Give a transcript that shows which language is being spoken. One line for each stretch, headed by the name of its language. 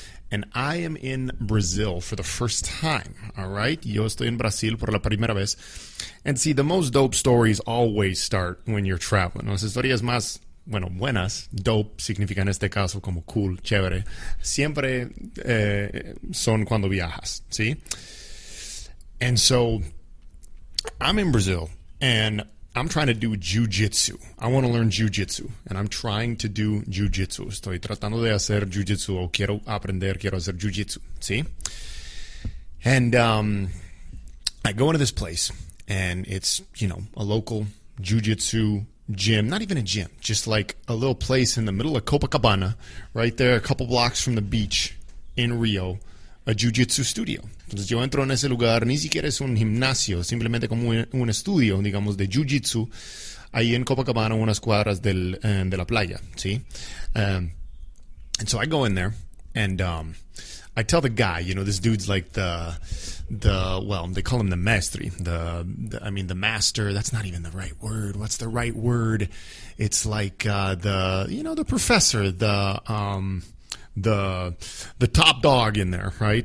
English: And I am in Brazil for the first time, all right?
Spanish: Yo estoy en Brasil por la primera vez.
English: And see, the most dope stories always start when you're traveling.
Spanish: Las historias más... bueno, buenas, dope, significa en este caso como cool, chévere, siempre son cuando viajas, ¿sí?
English: And so, I'm in Brazil, and I'm trying to do jiu-jitsu. I want to learn jiu-jitsu, and I'm trying to do jiu-jitsu.
Spanish: Estoy tratando de hacer jiu-jitsu, o quiero aprender, quiero hacer jiu-jitsu, ¿sí?
English: And I go into this place, and it's, you know, a local jiu-jitsu gym, not even a gym, just like a little place in the middle of Copacabana, right there, a couple blocks from the beach in Rio, a jiu-jitsu studio.
Spanish: Entonces yo entro en ese lugar, ni siquiera es un gimnasio, simplemente como un estudio, digamos, de jiu-jitsu, ahí en Copacabana, unas cuadras de la playa, ¿sí?
English: And so I go in there, and I tell the guy, you know, this dude's like the they call him the maestri, the master. That's not even the right word. What's the right word? It's like the professor, the top dog in there, right?